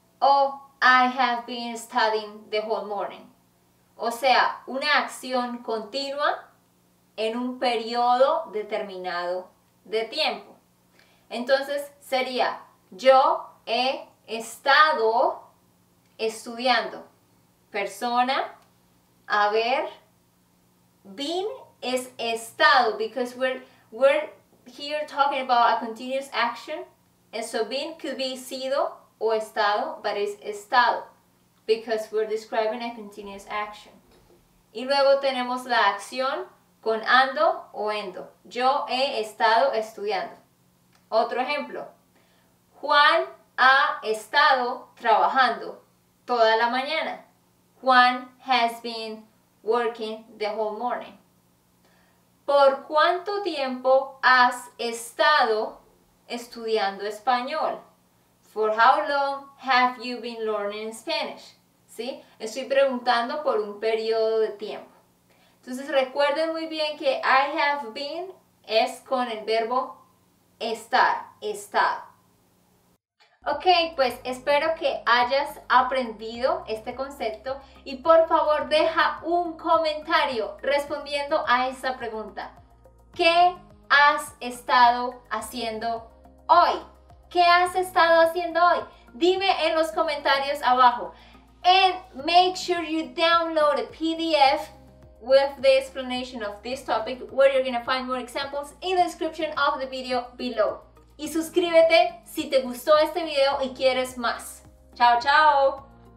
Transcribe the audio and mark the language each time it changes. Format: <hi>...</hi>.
<en>O I have been studying the whole morning.</en> <es>O sea, una acción continua en un periodo determinado de tiempo. Entonces, sería yo he estado estudiando. Persona. A ver,</es> <en>been is estado, because we're here talking about a continuous action, and so been could be</en> <es>sido o estado,</es> <en>but it's estado, because we're describing a continuous action.</en> <es>Y luego tenemos la acción con ando o endo. Yo he estado estudiando. Otro ejemplo. Juan ha estado trabajando toda la mañana.</es> <en>Juan has been working the whole morning.</en> <es>¿Por cuánto tiempo has estado estudiando español?</es> <en>For how long have you been learning Spanish?</en> <es>¿Sí? Estoy preguntando por un periodo de tiempo. Entonces recuerden muy bien que</es> <en>I have been</en> <es>es con el verbo estar, estado. Ok, pues espero que hayas aprendido este concepto y por favor deja un comentario respondiendo a esta pregunta. ¿Qué has estado haciendo hoy? ¿Qué has estado haciendo hoy? Dime en los comentarios abajo.</es> <en>And make sure you download a PDF with the explanation of this topic, where you're gonna find more examples in the description of the video below.</en> <es>Y suscríbete si te gustó este video y quieres más. Chao, chao.</es>